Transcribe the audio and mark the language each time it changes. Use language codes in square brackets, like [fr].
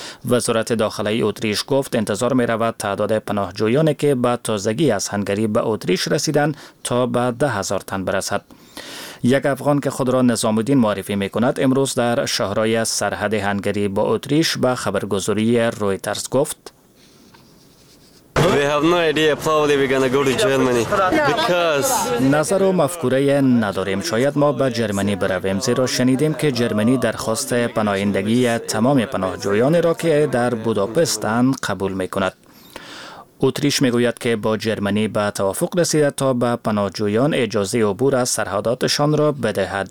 [fa] وزارت داخله اتریش گفت انتظار می رود تعداد پناهجویانی که با تازگی از هنگری به اتریش رسیدند تا به 10,000 تن برسد. یک افغان که خود را نظام الدین معرفی می کند امروز در شهرهای سرحد هنگری با اتریش به خبرگزاری رویترز گفت [en] We have no idea probably we're going to go to Germany because [fa] نظر و مفکوره نداریم شاید ما به جرمنی برویم زیرا شنیدیم که جرمنی درخواست پناهندگی تمام پناهجویان را که در بوداپست هستند قبول میکند. اتریش میگوید که با جرمنی به توافق رسیده تا به پناهجویان اجازه عبور از سرحداتشان را بدهد.